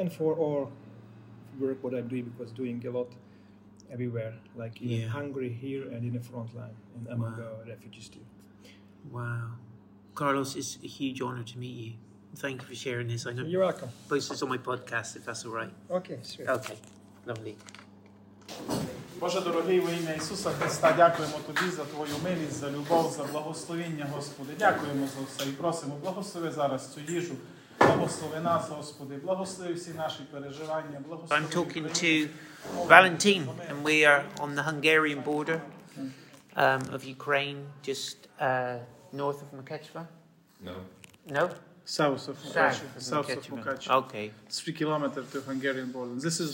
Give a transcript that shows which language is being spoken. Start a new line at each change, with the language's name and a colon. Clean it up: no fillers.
English: And for all work what I do, because doing a lot everywhere, like in Hungary here and in the front line and among the refugees too. Wow. Carlos, it's a huge honor to meet you. Thank you for sharing this. I know you're welcome. Post this on my podcast if that's all right. Okay, sure. Okay, lovely.
Ukrainian: Боже дорогий, во ім'я Ісуса Христа, дякуємо тобі за твою милість, за любов, за благословіння, Господи. Дякуємо за все і просимо, благослови зараз цю їжу. Благослови нас, Господи. Благослови всі наші переживання.
English: I'm talking to Valentin, and we are on the Hungarian border of Ukraine, just north of Mykolaiv. No. No? south of Mukacheva. Okay. 3 kilometers to Hungarian border. This is